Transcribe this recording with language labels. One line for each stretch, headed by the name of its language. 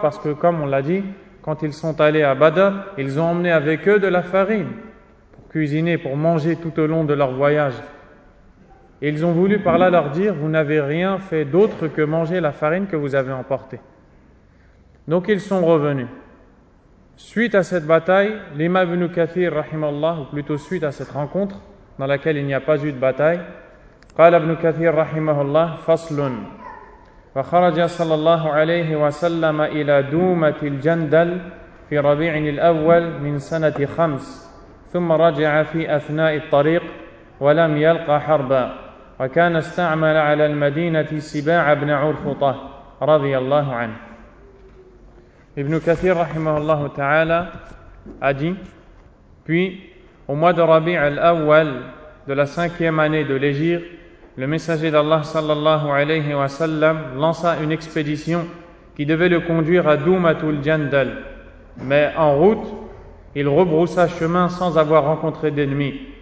French: Parce que comme on l'a dit, quand ils sont allés à Badr, ils ont emmené avec eux de la farine pour cuisiner, pour manger tout au long de leur voyage. Et ils ont voulu par là leur dire « Vous n'avez rien fait d'autre que manger la farine que vous avez emportée. » Donc ils sont revenus. Suite à cette bataille, l'imam Ibn Kathir, rahimallah, ou plutôt suite à cette rencontre, dans laquelle il n'y a pas eu de bataille,
Arabic: قال ابن كثير رحمه الله فصل فخرج صلى الله عليه وسلم إلى دومة الجندل في ربيع الأول من سنة خمس ثم رجع في أثناء الطريق ولم يلقى حربا وكان استعمل على المدينة سباع بن عرفطة رضي الله عنه. ابن كثير رحمه الله تعالى أدي
French: puis au mois de ربيع الأول de la cinquième année de l'Hégire, le messager d'Allah sallallahu alayhi wa sallam lança une expédition qui devait le conduire à Doumatul Jandal. Mais en route, il rebroussa chemin sans avoir rencontré d'ennemis.